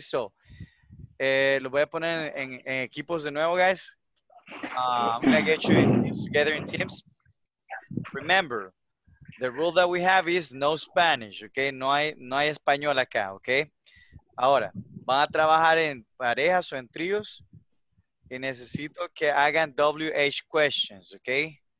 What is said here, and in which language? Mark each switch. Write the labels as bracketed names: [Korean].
[Spanish] So, lo voy a poner en equipos de nuevo, guys. [English] I'm gonna get you together in teams. Remember, the rule that we have is no Spanish, okay? [Spanish] No hay español acá, okay? Ahora, van a trabajar en parejas o en tríos y necesito que hagan WH questions, okay?